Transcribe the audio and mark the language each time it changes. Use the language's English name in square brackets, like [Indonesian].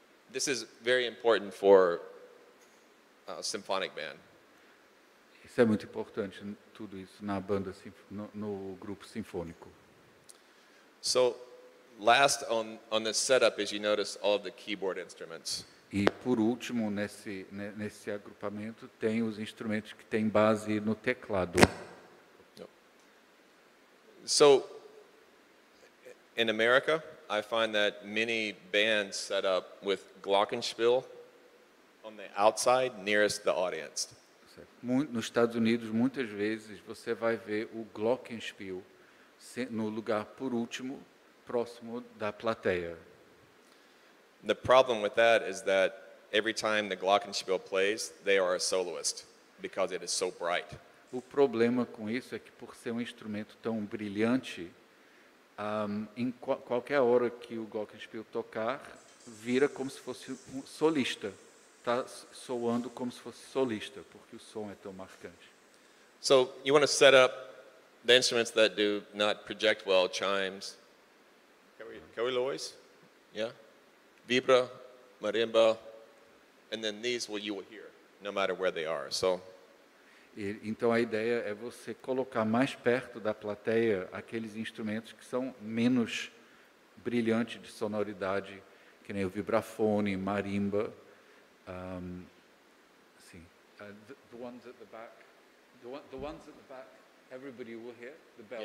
[English] This is very important for a symphonic band. [Portuguese] Isso é muito importante, tudo isso na banda no grupo sinfônico. [English] So, last on this setup is you notice all of the keyboard instruments. [Portuguese] E por último nesse agrupamento tem os instrumentos que têm base no teclado. [English] So, in America, I find that many bands set up with glockenspiel on the outside nearest the audience. [Portuguese] Nos Estados Unidos, muitas vezes você vai ver o glockenspiel no lugar por último, próximo da plateia. [English] The problem with that is that every time the glockenspiel plays, they are a soloist because it is so bright. [Portuguese] O problema com isso é que, por ser um instrumento tão brilhante, em qualquer hora que o glockenspiel tocar, vira como se fosse um solista. Está soando como se fosse solista, porque o som é tão marcante. [English] So, you want to set up the instruments that do not project well, chimes, kawilois, yeah, vibra, marimba, and then these will you will hear, no matter where they are. So, [Portuguese] então, a ideia é você colocar mais perto da plateia aqueles instrumentos que são menos brilhantes de sonoridade, que nem o vibrafone, marimba, [English] The ones at the back, the ones at the back, everybody will hear the bells.